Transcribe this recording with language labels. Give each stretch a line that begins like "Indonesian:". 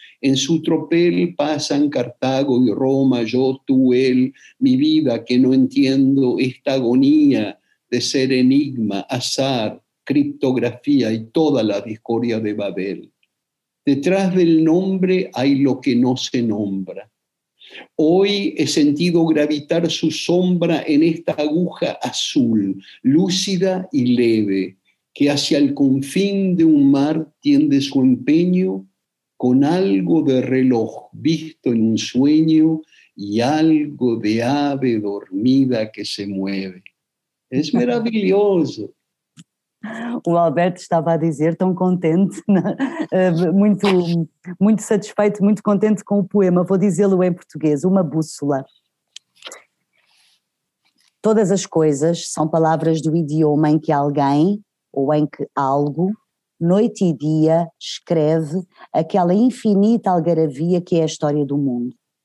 Portuguese: Em seu tropel passam Cartago e Roma, eu, tu, ele, minha vida, que não entendo esta agonia de ser enigma, azar, criptografia e toda a discórdia de Babel. Detrás do nome há o que não se nombra.
Spanish: Hoy he sentido gravitar su sombra en esta aguja azul, lúcida y leve, que hacia el confín de un mar tiende su empeño con algo de reloj visto en un sueño y algo de ave dormida que se mueve. Es maravilloso.
Portuguese: O Alberto estava a dizer, tão contente, muito, muito satisfeito, muito contente com o poema. Vou dizê-lo em português, Uma Bússola. Todas as coisas são palavras do idioma em que alguém, ou em que algo, noite e dia, escreve aquela infinita algaravia que é a história do mundo.